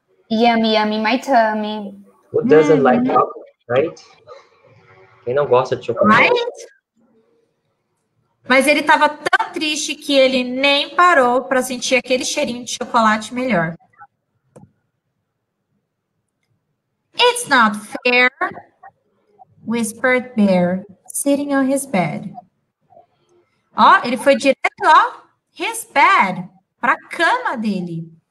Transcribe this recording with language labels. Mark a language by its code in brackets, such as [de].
[en] Yummy, yummy, my tummy. Who doesn't like chocolate, right? [pt] Quem não gosta de chocolate? [en] Right? [pt] Mas ele estava tão triste que ele nem parou para sentir aquele cheirinho de chocolate melhor. [en] It's not fair, whispered Bear, sitting on his bed. [pt] Ó, ele foi direto, ó, [en] his bed, [pt] para a cama dele.